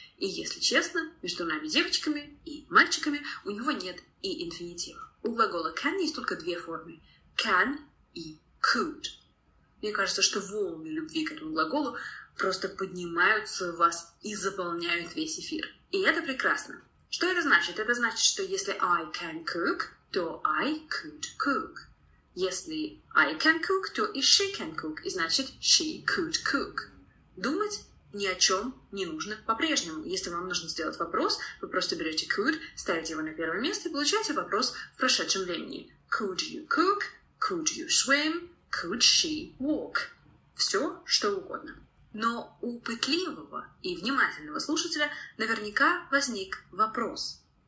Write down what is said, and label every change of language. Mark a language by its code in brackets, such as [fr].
[ru] И если честно, между нами девочками и мальчиками у него нет и инфинитива. У глагола can есть только две формы. [en] Can [ru] и [en] could. [ru] Мне кажется, что волны любви к этому глаголу просто поднимаются в вас и заполняют весь эфир. И это прекрасно. Что это значит? Это значит, что если [en] I can cook, [ru] то [en] I could cook. [ru] Если [en] I can cook, [ru] то и [en] she can cook, [ru] и значит [en] she could cook. [ru] Думать ни о чем не нужно по-прежнему. Если вам нужно сделать вопрос, вы просто берете could, ставите его на первое место и получаете вопрос в прошедшем времени. [en] Could you cook? Could you swim? Could she walk? [ru] Все, что угодно. Но у пытливого и внимательного слушателя наверняка возник вопрос.